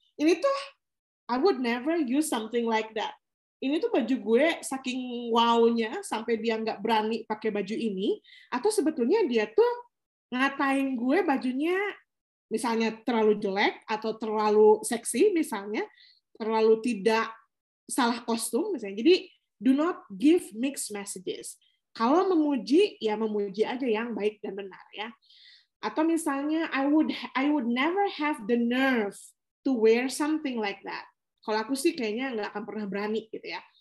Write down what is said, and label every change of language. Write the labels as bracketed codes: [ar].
[id] Ini tuh, [en] I would never use something like that. [id] Ini tuh baju gue saking wow-nya sampai dia nggak berani pakai baju ini. Atau sebetulnya dia tuh ngatain gue bajunya misalnya terlalu jelek atau terlalu seksi misalnya. Terlalu tidak salah kostum misalnya. Jadi [en] do not give mixed messages. [id] Kalau memuji, ya memuji aja yang baik dan benar ya. Atau misalnya [en] I would never have the nerve to wear something like that. [id] Kalau aku sih kayaknya nggak akan pernah berani gitu ya.